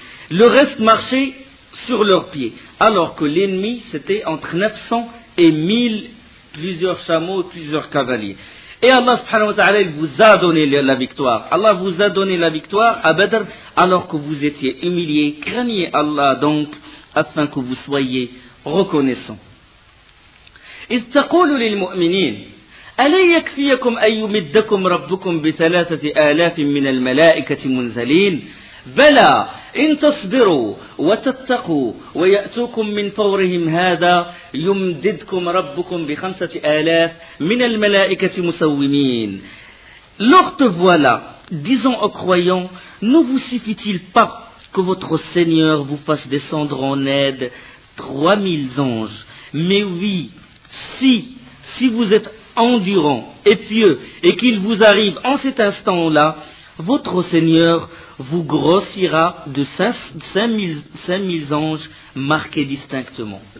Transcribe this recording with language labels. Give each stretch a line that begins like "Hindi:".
French: Le reste marchait sur leurs pieds, alors que l'ennemi, c'était entre 900 et 1000, plusieurs chameaux, plusieurs cavaliers. Et Allah subhanahu wa ta'ala, il vous a donné la victoire. Allah vous a donné la victoire à Badr, alors que vous étiez humilié. Craignez Allah donc, afin que vous soyez reconnaissant.
Arabic: إذ تقول للمؤمنين ألا يكفيكم أن يمدكم ربكم بثلاثة آلاف من الملائكة منزلين بلى إن تصبروا وتتقوا ويأتوكم من فورهم هذا يمددكم ربكم بخمسة آلاف من الملائكة مسومين.
French: Lorsque voilà, disons aux croyants, ne vous suffit-il pas que votre Seigneur vous fasse descendre en aide 3000 anges? Mais oui, Si vous êtes endurant et pieux et qu'il vous arrive en cet instant-là, votre Seigneur vous grossira de 5000 anges marqués distinctement.